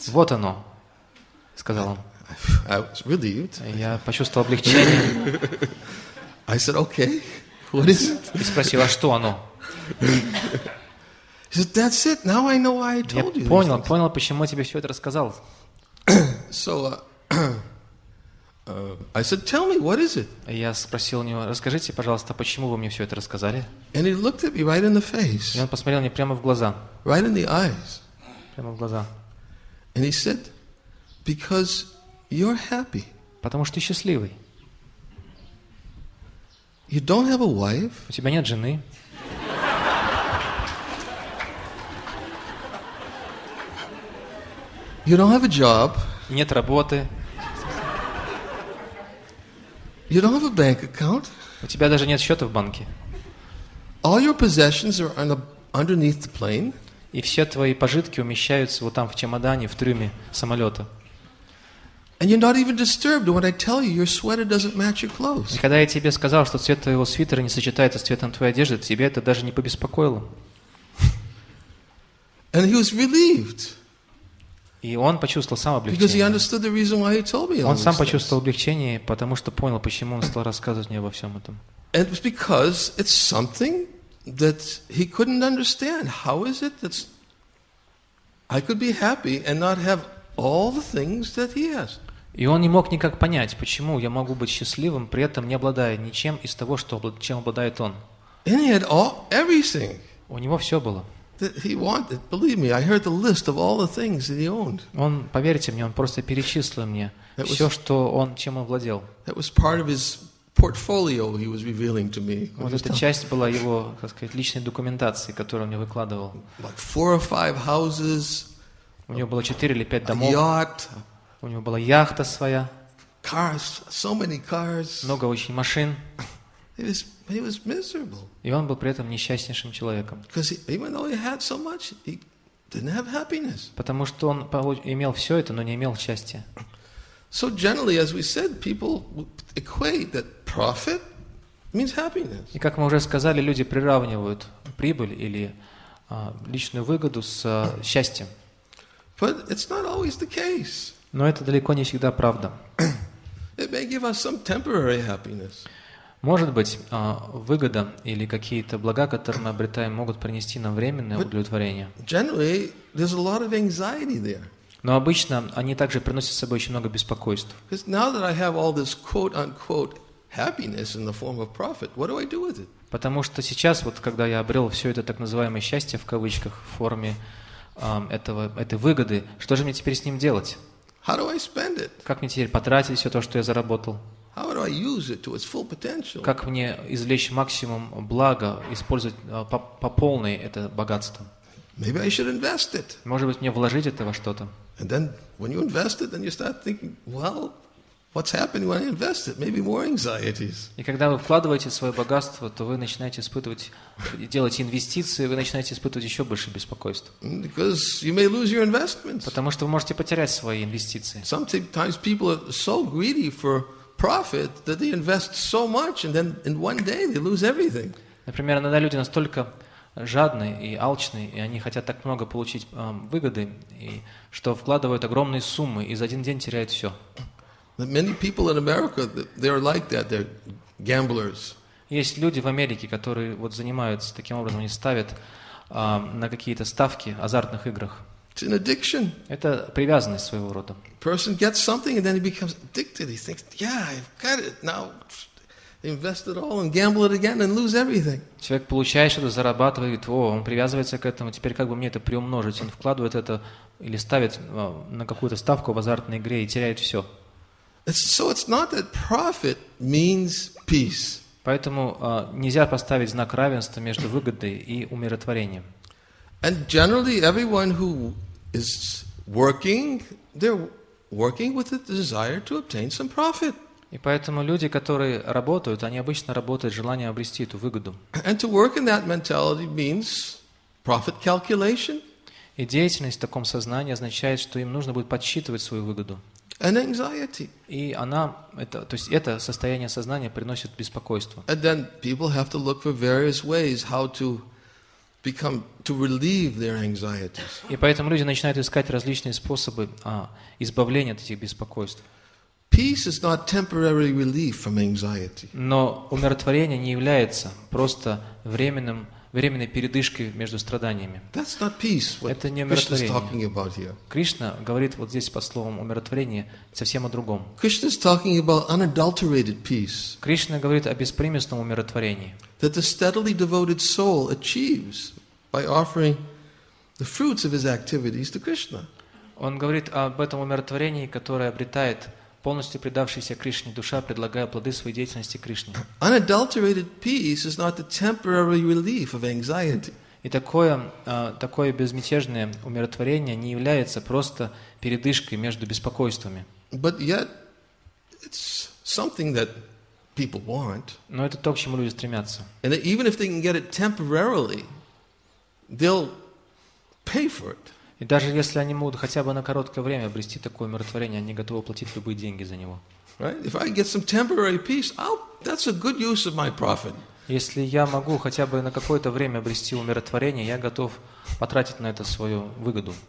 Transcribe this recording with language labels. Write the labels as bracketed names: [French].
[Russian] Вот оно, сказал он. [English] I was relieved. [Russian] Я почувствовал облегчение. [English] I said, "Okay, what is it?" [Russian] И спросил, а что оно? [English] He said, "That's it. Now I know why I told you." [Russian] Я понял, понял, почему я тебе все это рассказал. [English] So I said, "Tell me, what is it?" [Russian] Я спросил у него, расскажите, пожалуйста, почему вы мне все это рассказали? [English] And he looked at me right in the face. [Russian] И он посмотрел мне прямо в глаза. [English] Right in the eyes. [Russian] Прямо в глаза. [English] And he said, "Because you're happy." [Russian] Потому что ты счастливый. [English] You don't have a wife. [Russian] У тебя нет жены. [English] You don't have a job. [Russian] И нет работы. [English] You don't have a bank account. [Russian] У тебя даже нет счета в банке. [English] All your possessions are underneath the plane. [Russian] И все твои пожитки умещаются вот там в чемодане, в трюме самолета. [English] And you're not even disturbed when I tell you your sweater doesn't match your clothes. [Russian] И когда я тебе сказал, что цвет твоего свитера не сочетается с цветом твоей одежды, тебе это даже не побеспокоило. [English] And he was relieved. [Russian] И он почувствовал сам облегчение. [English] Because he understood the reason why he told me. [Russian] Он сам почувствовал облегчение, потому что понял, почему он стал рассказывать мне обо всем этом. [English] And it was because it's something that he couldn't understand. How is it that I could be happy and not have all the things that he has? [Russian] И он не мог никак понять, почему я могу быть счастливым, при этом не обладая ничем из того, чем обладает он. [English] And he had everything. [Russian] У него все было. [English] He wanted, believe me, I heard the list of all the things that he owned. [Russian] Он, поверьте мне, он просто перечислил мне все, что он, чем он владел. [English] That was part of his portfolio he was revealing to me. [Russian] Вот эта часть была его, так сказать, личной документации, которую он мне выкладывал. [English] Like 4 or 5 houses. [Russian] У него было 4 или 5 домов. [English] A yacht. [Russian] У него была яхта своя. [English] Cars, so many cars. [Russian] Много очень машин. [English] He was miserable. [Russian] И он был при этом несчастнейшим человеком. [English] Because even though he had so much, he didn't have happiness. [Russian] Потому что он имел все это, но не имел счастья. [English] So generally, as we said, people equate that profit means happiness. [Russian] И как мы уже сказали, люди приравнивают прибыль или личную выгоду с счастьем. [English] But it's not always the case. [Russian] Но это далеко не всегда правда. [English] It may give us some temporary happiness. [Russian] Может быть, выгода или какие-то блага, которые мы обретаем, могут принести нам временное удовлетворение. [English] Generally, there's a lot of anxiety there. [Russian] Но обычно они также приносят с собой очень много беспокойств. [English] Because now that I have all this quote-unquote happiness in the form of profit, what do I do with it? [Russian] Потому что сейчас, вот когда я обрел все это так называемое счастье в кавычках, в форме этой выгоды, что же мне теперь с ним делать? [English] How do I spend it? [Russian] Как мне теперь потратить все то, что я заработал? [English] How do I use it to its full potential? [Russian] Как мне извлечь максимум блага, использовать по полной это богатство? [English] Maybe I should invest it. [Russian] Может быть, мне вложить это во что-то? [English] And then, when you invest it, then you start thinking, well, what's happening when I invest it? Maybe more anxieties. [Russian] И когда вы вкладываете свое богатство, то вы начинаете испытывать, делать инвестиции, вы начинаете испытывать еще больше беспокойств. [English] Because you may lose your investments. [Russian] Потому что вы можете потерять свои инвестиции. [English] Sometimes people are so greedy for profit that they invest so much and then in one day they lose everything. [Russian] Например, иногда люди настолько жадные и алчные, и они хотят так много получить выгоды, и что вкладывают огромные суммы и за один день теряют все. [English] Many people in America, they're like that, they're gamblers. [Russian] Есть люди в Америке, которые вот занимаются таким образом, они ставят на какие-то ставки в азартных играх. [English] It's an addiction. [Russian] Это привязанность своего рода. [English] Person gets something and then he becomes addicted. He thinks, "Yeah, I've got it now. Invest it all and gamble it again and lose everything." [Russian] Человек получает что-то, зарабатывает, о, он привязывается к этому. Теперь как бы мне это приумножить? Он вкладывает это или ставит на какую-то ставку в азартной игре и теряет все. [English] So it's not that profit means peace. [Russian] Поэтому нельзя поставить знак равенства между выгодой и умиротворением. [English] And generally, everyone who is working, they're working with the desire to obtain some profit. [Russian] И поэтому люди, которые работают, они обычно работают с желанием обрести эту выгоду. [English] And to work in that mentality means profit calculation. [Russian] И деятельность в таком сознании означает, что им нужно будет подсчитывать свою выгоду. [English] And anxiety. [Russian] И она, то есть это состояние сознания приносит беспокойство. [English] And then people have to look for various ways how to become to relieve their anxieties. [Russian] И поэтому люди начинают искать различные способы избавления от этих беспокойств. [English] Peace is not temporary relief from anxiety. [Russian] Но умиротворение не является просто временной передышкой между страданиями. [English] That's not peace. [Russian] Это не умиротворение. [English] Krishna is talking about here. [Russian] Кришна говорит вот здесь по словам умиротворение совсем о другом. [English] Krishna is talking about unadulterated peace. [Russian] Кришна говорит о беспримесном умиротворении. [English] That the steadily devoted soul achieves by offering the fruits of his activities to Krishna. [Russian] Он говорит об этом умиротворении, которое обретает полностью предавшаяся Кришне душа, предлагая плоды своей деятельности Кришне. [English] Unadulterated peace is not the temporary relief of anxiety. [Russian] И такое безмятежное умиротворение не является просто передышкой между беспокойствами. [English] But yet, it's something that people want. [Russian] Но это то, к чему люди стремятся. [English] And even if they can get it temporarily, they'll pay for it. [Russian] И даже если они могут хотя бы на короткое время обрести такое умиротворение, они готовы платить любые деньги за него. [English] Right? If I get some temporary peace, that's a good use of my profit. [Russian] Если я могу хотя бы на какое-то время обрести умиротворение, я готов потратить на это свою выгоду.